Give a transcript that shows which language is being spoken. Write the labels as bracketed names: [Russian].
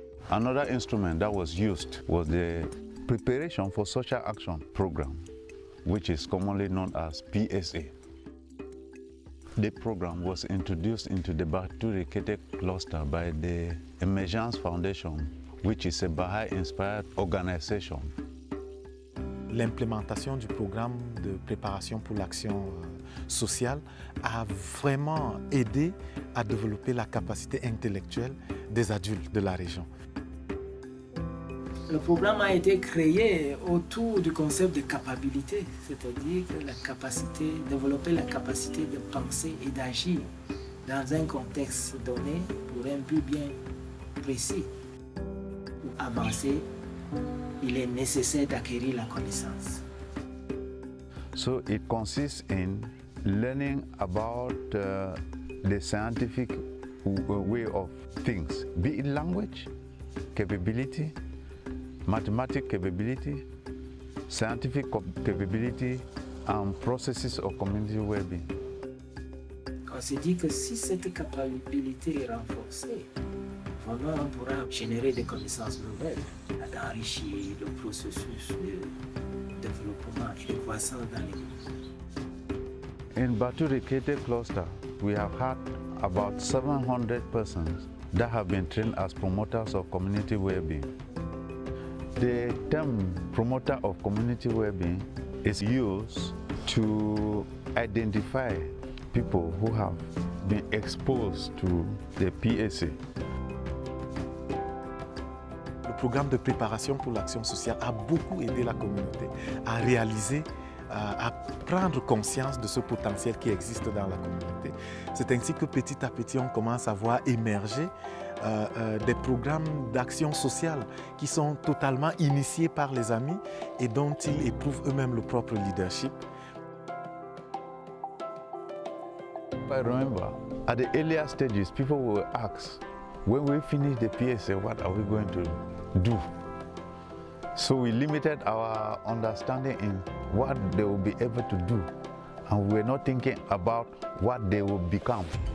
[English] Another instrument that was used was the Preparation for Social Action Program, which is commonly known as PSA. The program was introduced into the Baturikete cluster by the Emergence Foundation, which is a Baha'i-inspired organization. [French] L'implémentation du programme de préparation pour l'action sociale a vraiment aidé à développer la capacité intellectuelle des adultes de la région. Le programme a été créé autour du concept de capacité, c'est-à-dire la capacité, développer la capacité de penser et d'agir dans un contexte donné pour un but bien précis. Pour avancer, il est nécessaire d'acquérir la connaissance. [English] So it consists in learning about the scientific way of things, be it language capability, mathematical capability, scientific capability, and processes of community well-being. [French] On se dit que si cette capacité est renforcée, vraiment on pourra générer des connaissances nouvelles, d'enrichir le processus de développement et de croissance dans les communautés. [English] In Baturikete cluster, we have had about 700 persons that have been trained as promoters of community well-being. The term promoter of community well-being is used to identify people who have been exposed to the PSA. [French] Le programme de préparation pour l'action sociale a beaucoup aidé la communauté à réaliser à prendre conscience de ce potentiel qui existe dans la communauté. C'est ainsi que petit à petit, on commence à voir émerger des programmes d'action sociale qui sont totalement initiés par les amis et dont ils éprouvent eux-mêmes le propre leadership. [English] I remember, at the earlier stages, people were asked, when we finish the PSA, what are we going to do? So we limited our understanding in what they will be able to do, and we were not thinking about what they will become.